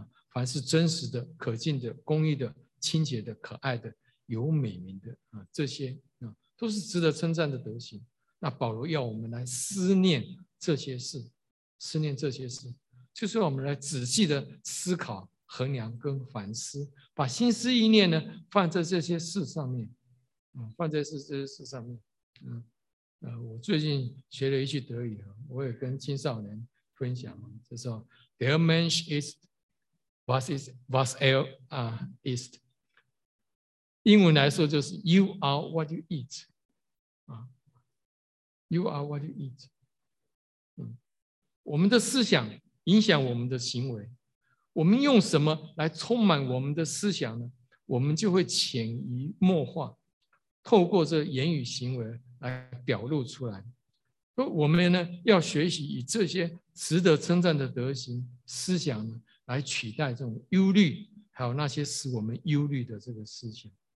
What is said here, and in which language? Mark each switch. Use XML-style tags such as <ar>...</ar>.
<zh>凡是真实的、可敬的、公义的、清洁的、可爱的、有美名的这些都是值得称赞的德行。那保罗要我们来思念这些事，思念这些事就是我们来仔细的思考衡量跟反思，把心思意念呢放在这些事上面，放在这些事上面。我最近学了一句德语，我也跟青少年分享，就说</zh> <de>Der Mensch ist was, is, was er ist，</de> <zh>英文来说就是</zh> <en>You are what you eat，</en> <zh>You are what you eat。我们的思想影响我们的行为，我们用什么来充满我们的思想呢？我们就会潜移默化，透过这言语行为来表露出来。我们呢，要学习以这些值得称赞的德行思想呢，来取代这种忧虑，还有那些使我们忧虑的这个思想。</zh>